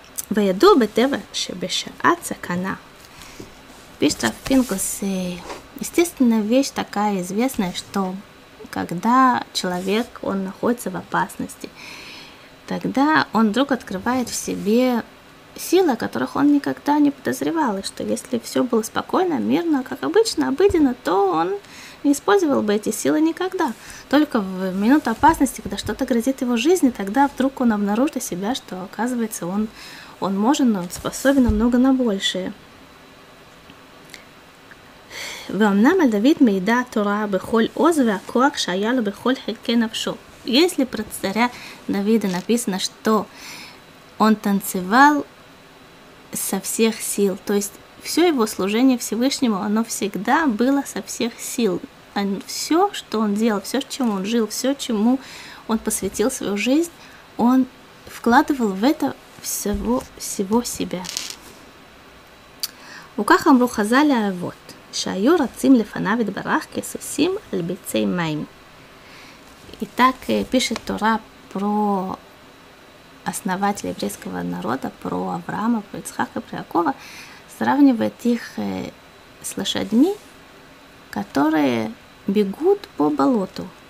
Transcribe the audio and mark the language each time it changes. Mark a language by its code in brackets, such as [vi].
[he] Ваяду бетева шебеша цакана. [ru] Пишет Рав Пинкус, естественно, вещь такая известная, что когда человек, он находится в опасности, тогда он вдруг открывает в себе силы, о которых он никогда не подозревал, и что если все было спокойно, мирно, как обычно, обыденно, то он не использовал бы эти силы никогда. Только в минуту опасности, когда что-то грозит его жизни, тогда вдруг он обнаружит себя, что, оказывается, он может, но он способен намного на большее. [he] ואמנם על דוד מעידה התורה בכל עוז והכוח שהיה לו בכל חלקי נפשו. [ru] Если про царя Давида написано, что он танцевал со всех сил, то есть все его служение Всевышнему, оно всегда было со всех сил. Все, что он делал, все, чем он жил, все, чему он посвятил свою жизнь, он вкладывал в это всего себя. [he] וכך אמרו חז"ל האבות. שהיו רצים לפניו יתברך כסוסים על ביצי מים. [ru] Итак, пишет Тора про основателя еврейского народа, про Авраама, про Ицхака, про Якова, сравнивает их с лошадьми, которые бегут по болоту.